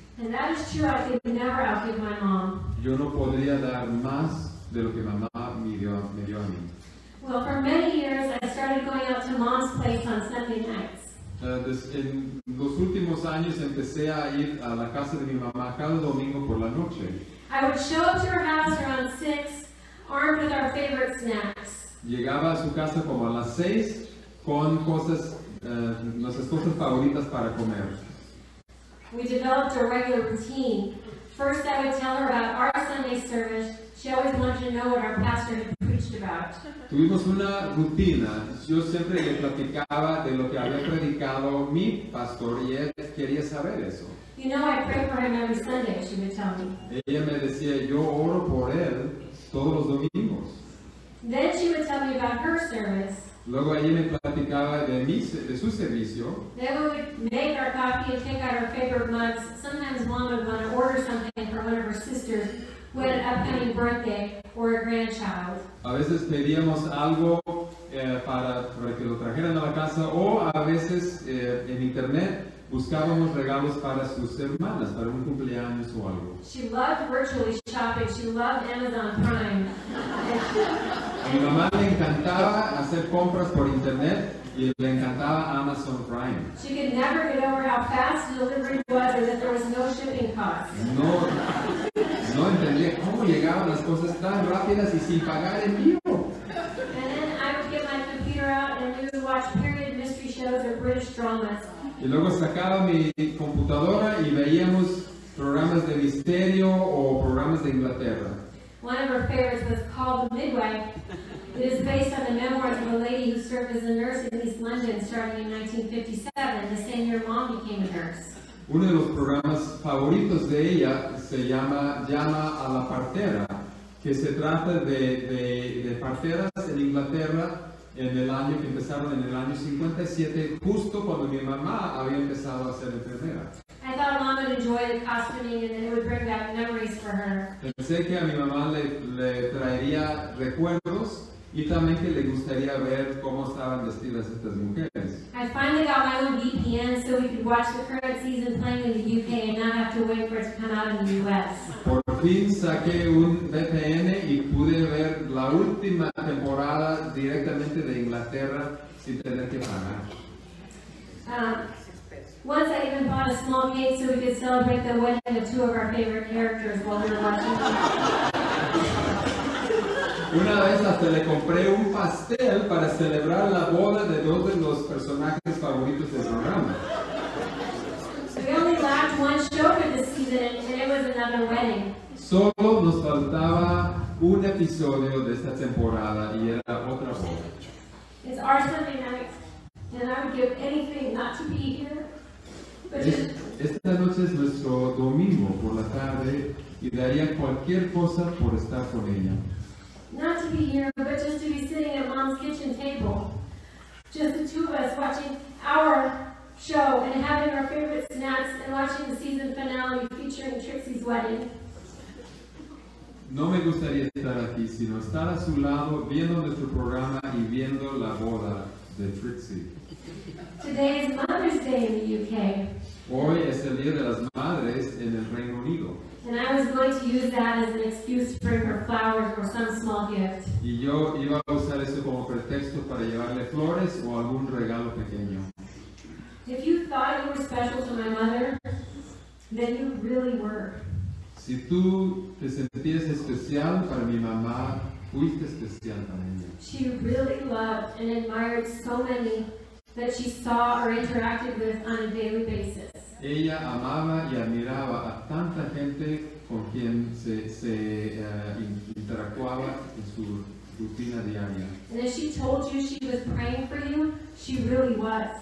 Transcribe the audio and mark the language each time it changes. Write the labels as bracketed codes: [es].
[en] And that is true, I could never outgive my mom. [es] Yo no podría dar más de lo que mamá me dio a mí. [en] Well, for many years, I started going out to mom's place on Sunday nights. [es] En los últimos años, empecé a ir a la casa de mi mamá cada domingo por la noche. [en] I would show up to her house around 6, armed with our favorite snacks. [es] Llegaba a su casa como a las 6, con cosas, nuestras cosas favoritas para comer. [en] We developed a regular routine. First, I would tell her about our Sunday service. She always wanted to know what our pastor had preached about. [es] Tuvimos una rutina. Yo siempre le platicaba de lo que había predicado mi pastor y él quería saber eso. [en] You know, I pray for him every Sunday, she would tell me. [es] Ella me decía, yo oro por él todos los domingos. [en] Then she would tell me about her service. [es] Luego ella me platicaba de mi, de su servicio. [en] Then we would make our coffee and take out our favorite mugs. Sometimes mom would want to order something for one of her sisters who had an upcoming birthday or a grandchild. [es] A veces pedíamos algo para que lo trajeran a la casa, o a veces en internet buscábamos regalos para sus hermanas, para un cumpleaños o algo. [en] She loved virtually shopping. She loved Amazon Prime. [es] A mi mamá le encantaba hacer compras por internet y le encantaba Amazon Prime. [en] She could never get over how fast delivery was and that there was no shipping cost. [es] No entendía cómo llegaban las cosas tan rápidas y sin pagar envío. [en] And then I would get my computer out and we would watch period mystery shows or British dramas. [es] Y luego sacaba mi computadora y veíamos programas de misterio o programas de Inglaterra. [en] One of her favorites was called The Midwife. It is based on the memoirs of a lady who served as a nurse in East London starting in 1957, the same year mom became a nurse. [es] Uno de los programas favoritos de ella se llama Llama a la Partera, que se trata de parteras en Inglaterra en el año que empezaron en el año 57, justo cuando mi mamá había empezado a ser enfermera. [en] I thought mom would enjoy the costuming and it would bring back memories for her. [es] Pensé que a mi mamá le traería recuerdos y también que le gustaría ver cómo estaban vestidas estas mujeres. [en] I finally got my own VPN so we could watch the current season playing in the UK and not have to wait for it to come out in the US. [es] Por fin saqué un VPN y pude ver la última temporada directamente de Inglaterra sin tener que pagar. [en] Once I even bought a small cake so we could celebrate the wedding of two of our favorite characters while we were watching. [es] Una vez hasta le compré un pastel para celebrar la boda de dos de los personajes favoritos del programa. [en] We only lacked one show for this season and it was another wedding. [es] Solo nos faltaba un episodio de esta temporada y era otra boda. [en] It's our Sunday night and I would give anything not to be here. [es] Esta noche es nuestro domingo por la tarde y daría cualquier cosa por estar con ella. [en] Not to be here, but just to be sitting at mom's kitchen table. Just the two of us watching our show and having our favorite snacks and watching the season finale featuring Trixie's wedding. [es] No me gustaría estar aquí, sino estar a su lado viendo nuestro programa y viendo la boda de Trixie. [en] Today is Mother's Day in the UK. [es] Hoy es el Día de las Madres en el Reino Unido. [en] And I was going to use that as an excuse to bring her flowers or some small gift. [es] Y yo iba a usar eso como pretexto para llevarle flores o algún regalo pequeño. [en] If you thought you were special to my mother, then you really were. [es] Si tú te sentías especial para mi mamá, fuiste especial para ella. [en] She really loved and admired so many that she saw or interacted with on a daily basis. [es] Ella amaba y admiraba a tanta gente con quien se interactuaba en su rutina diaria. [en] And if she told you she was praying for you, she really was.